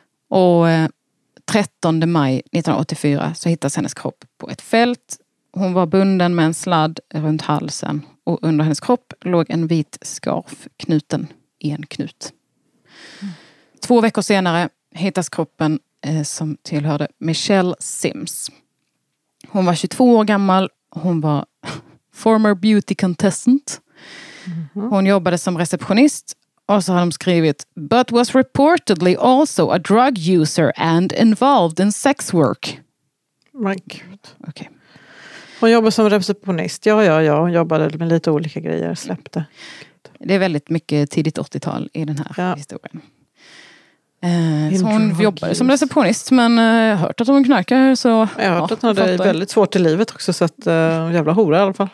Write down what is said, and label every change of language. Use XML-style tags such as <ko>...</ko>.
<sv>Och 13 maj 1984 så hittas hennes kropp på ett fält. Hon var bunden med en sladd runt halsen och under hennes kropp låg en vit skarf knuten i en knut. Mm. 2 veckor senare hittas kroppen som tillhörde Michelle Sims. Hon var 22 år gammal. Hon var</sv> <en>former beauty contestant. Mm-hmm.</en> <sv>Hon jobbade som receptionist. Och så har de skrivit,</sv> <en>but was reportedly also a drug user and involved in sex work. My God. Okay.</en> <sv>Hon jobbade som receptionist. Ja, ja, ja. Hon jobbade med lite olika grejer. Släppte. Det är väldigt mycket tidigt 80-tal i den här historien. Så hon jobbade som receptionist, men jag har hört att hon knarkar. Så, jag har hört att hon hade väldigt svårt i livet också, så att jävla hora i alla fall.</sv>